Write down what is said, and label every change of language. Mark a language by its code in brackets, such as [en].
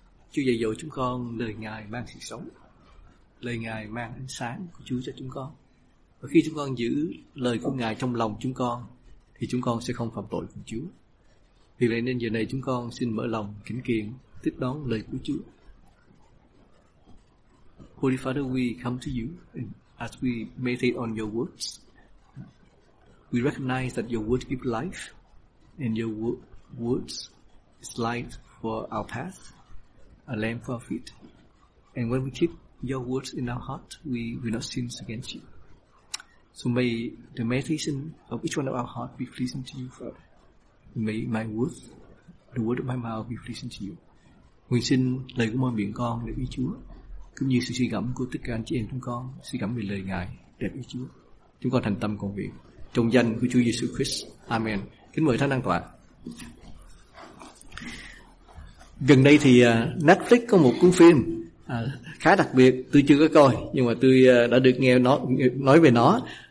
[vi] Chúa dạy dỗ chúng con lời Ngài mang sự sống, lời Ngài mang ánh sáng của Chúa cho chúng con. Và khi chúng con giữ lời của Ngài trong lòng chúng con, thì chúng con sẽ không phạm tội cùng Chúa. Vì vậy nên giờ này chúng con xin mở lòng kính kiền tiếp đón lời của Chúa. [en] Holy Father, we come to you and as we meditate on your words. We recognize that your word gives life and your words is light for our path, a lamp for our feet. And when we keep your words in our heart, we will not sin against you. So may the meditation of each one of our heart be pleasing to you, Father. May my words, the word of my mouth be pleasing to you. [vi] Nguyện xin lời của mọi miệng con để ý Chúa, cũng như sự suy gẫm của tất cả anh chị em chúng con suy gẫm về lời Ngài đẹp ý Chúa. Chúng con thành tâm cầu nguyện trong danh của Chúa Giêsu Christ. Amen. Kính mời Thánh An Tọa. Gần đây thì Netflix có một cuốn phim khá đặc biệt, tôi chưa có coi nhưng mà tôi đã được nghe nói về nó.